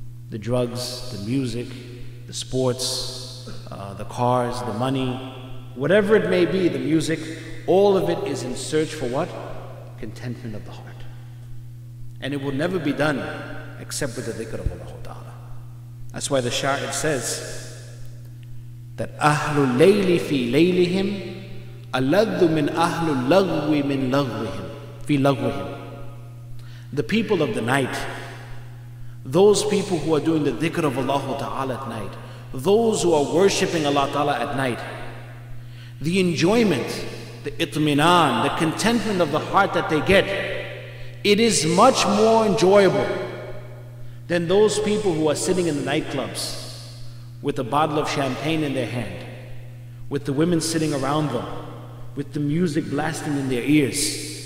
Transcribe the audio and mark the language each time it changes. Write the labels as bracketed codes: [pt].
[en] The drugs, the music, the sports, the cars, the money, whatever it may be, the music, all of it is in search for what? Contentment of the heart. And it will never be done except with the dhikr of Allah Ta'ala. That's why the sha'ir says that [ar] أَهْلُ اللَّيْلِ فِي لَيْلِهِمْ أَلَذُّ مِنْ أَهْلُ اللَّغْوِ مِنْ لَغْوِهِمْ فِي لَغْوِهِمْ. [en] The people of the night, those people who are doing the dhikr of Allah Ta'ala at night, those who are worshipping Allah Ta'ala at night, the enjoyment, the itminan, the contentment of the heart that they get, it is much more enjoyable than those people who are sitting in the nightclubs with a bottle of champagne in their hand, with the women sitting around them, with the music blasting in their ears.